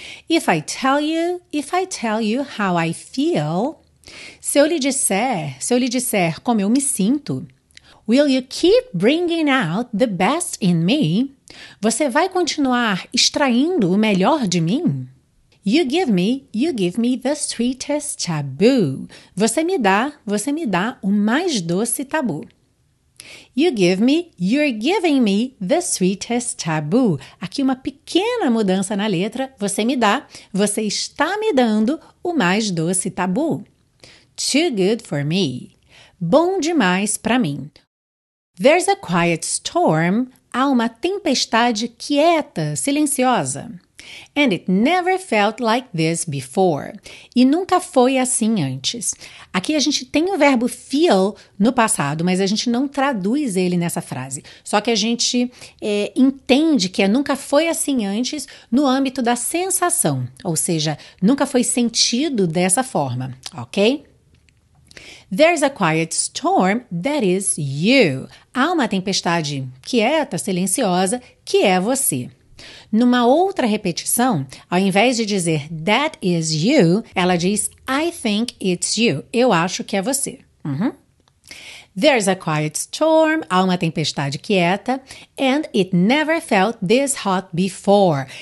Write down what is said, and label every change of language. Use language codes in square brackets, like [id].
[en] If I tell you how I feel, [pt] se eu lhe disser como eu me sinto, [en] will you keep bringing out the best in me? [pt] Você vai continuar extraindo o melhor de mim? [en] You give me the sweetest taboo. [pt] Você me dá o mais doce tabu. [en] You give me, you're giving me the sweetest taboo. [pt] Aqui uma pequena mudança na letra. Você está me dando o mais doce tabu. [en] Too good for me. [pt] Bom demais para mim. [en] There's a quiet storm, [pt] há uma tempestade quieta, silenciosa. [en] And it never felt like this before. [pt] E nunca foi assim antes. Aqui a gente tem o verbo feel no passado, mas a gente não traduz ele nessa frase. Só que a gente entende que é nunca foi assim antes no âmbito da sensação. Ou seja, nunca foi sentido dessa forma, ok? [en] There's a quiet storm that is you. [pt] Há uma tempestade quieta, silenciosa, que é você. Numa outra repetição, ao invés de dizer [en] that is you, [pt] ela diz [en] I think it's you. [pt] Eu acho que é você. [en] Uhum. There's a quiet storm, [pt] há uma tempestade quieta, [en] and it never felt this hot before.